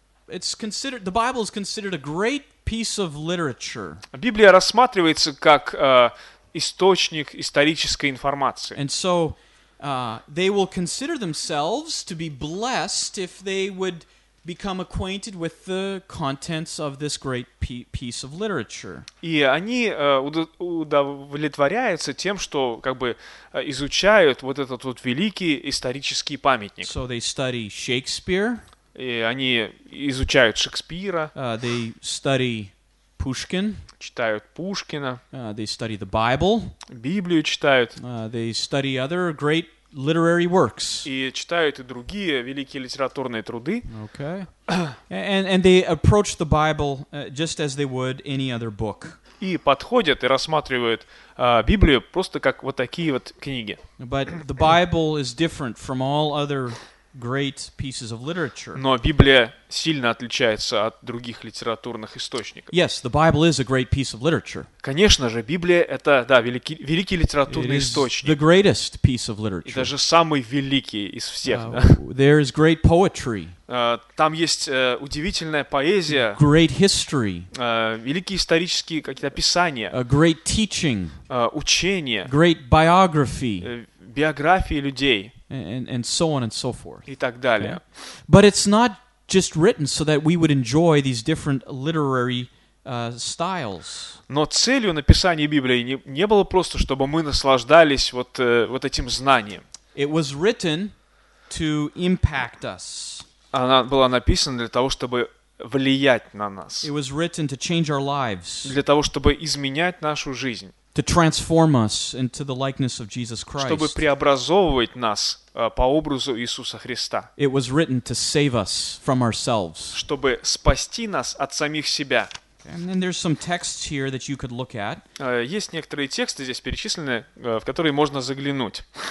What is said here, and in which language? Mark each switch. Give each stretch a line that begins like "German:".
English: The Bible is considered a great piece of literature.
Russian: Библия рассматривается как источник исторической информации.
English: And so they will consider themselves to be blessed if they would become acquainted with the contents of this great piece of literature.
Russian: И они удовлетворяются тем, что как бы изучают вот этот вот великий исторический памятник.
English: So they study Shakespeare.
Russian: И они изучают Шекспира.
English: They study Пушкин.
Russian: Читают Пушкина.
English: They study the Bible.
Russian: Библию читают.
English: They study other great literary works.
Russian: И читают и другие великие литературные труды.
English: Okay. And they approach the Bible just as they would any other book.
Russian: И подходят и рассматривают Библию просто как вот такие вот книги.
English: But the Bible is different from all other great pieces of literature.
Russian: Но Библия сильно отличается от других литературных источников.
English: Yes, the Bible is a great piece of literature.
Russian: Конечно же, Библия это, да, великий, великий литературный источник.
English: It is the greatest piece of literature.
Russian: И даже самый великий из всех, да.
English: There is great poetry.
Russian: Там есть удивительная поэзия.
English: Great history.
Russian: Великие исторические какие-то описания.
English: A great teaching.
Russian: Учение.
English: Great biography.
Russian: Биографии людей.
English: And so on and so forth.
Russian: И так далее. Okay?
English: But it's not just written so that we would enjoy these different literary styles.
Russian: Но целью написания Библии не было просто, чтобы мы наслаждались вот этим знанием.
English: It was written to impact us.
Russian: Она была написана для того, чтобы влиять на нас.
English: It was written to change our lives.
Russian: Для того, чтобы изменять нашу жизнь.
English: To transform us into the likeness of Jesus Christ.
Russian: Чтобы преобразовывать нас по образу Иисуса Христа.
English: It was written to save us from ourselves.
Russian: Чтобы спасти нас от самих себя.
English: And then there's some texts here that you could look at.
Russian: Есть некоторые тексты здесь перечислены, в которые можно заглянуть.